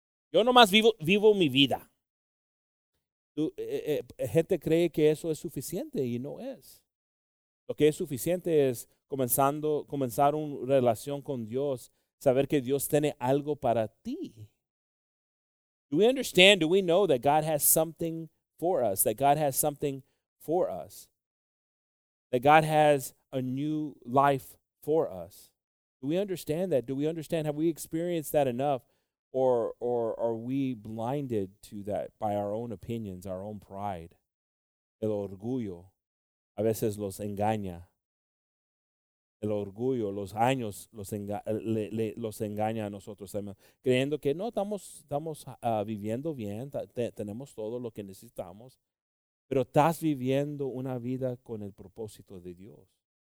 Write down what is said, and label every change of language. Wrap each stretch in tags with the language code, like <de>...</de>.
<es>Yo nomás vivo mi vida. Gente cree que eso es suficiente y no es. Lo que es suficiente es comenzar una relación con Dios, saber que Dios tiene algo para ti.</es> <en>Do we understand? Do we know that God has something for us? That God has something for us? That God has a new life for us? Do we understand that? Do we understand? Have we experienced that enough? Or are we blinded to that by our own opinions, our own pride?</en> <es>El orgullo a veces los engaña. El orgullo, los años, los engaña a nosotros también. Creyendo que no, estamos viviendo bien, tenemos todo lo que necesitamos, pero estás viviendo una vida con el propósito de Dios.</es>